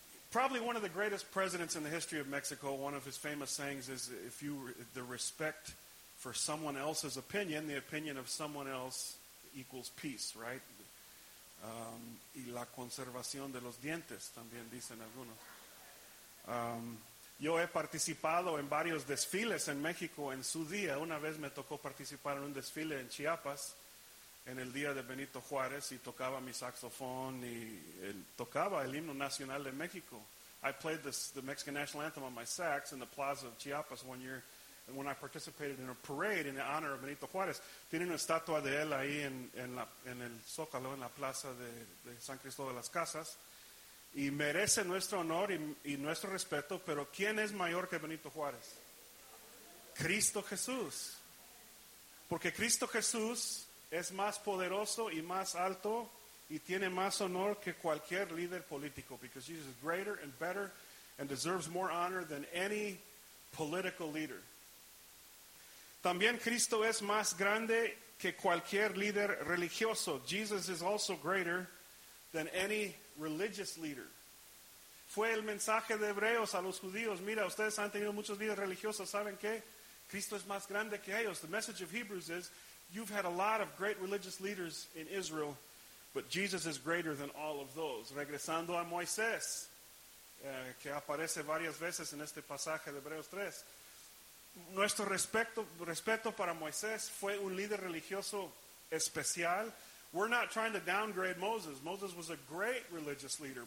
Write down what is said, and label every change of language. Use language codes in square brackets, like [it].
[en] Probably one of the greatest presidents in the history of Mexico, one of his famous sayings is, if you, the respect for someone else's opinion, the opinion of someone else equals peace, right? [es] Y la conservación de los dientes, también dicen algunos. Yo he participado en varios desfiles en México en su día. Una vez me tocó participar en un desfile en Chiapas, en el día de Benito Juárez, y tocaba mi saxofón, y tocaba el himno nacional de México. [en] I played the Mexican National Anthem on my sax in the plaza of Chiapas one year, and when I participated in a parade in the honor of Benito Juárez. [es] Tienen una estatua de él ahí en el Zócalo, en la plaza de San Cristóbal de las Casas. Y merece nuestro honor y nuestro respeto, pero ¿quién es mayor que Benito Juárez? Cristo Jesús. Porque Cristo Jesús es más poderoso y más alto y tiene más honor que cualquier líder político. [en] Because Jesus is greater and better and deserves more honor than any political leader. [es] También Cristo es más grande que cualquier líder religioso. [en] Jesus is also greater than any religious leader. [es] Fue el mensaje de Hebreos a los judíos. Mira, ustedes han tenido muchos líderes religiosos. ¿Saben qué? Cristo es más grande que ellos. [en] The message of Hebrews is, you've had a lot of great religious leaders in Israel, but Jesus is greater than all of those. [es] Regresando a Moisés, que aparece varias veces en este pasaje de Hebreos 3. Nuestro respeto para Moisés fue un líder religioso especial. [en] We're not trying to downgrade Moses. Moses was a great religious leader.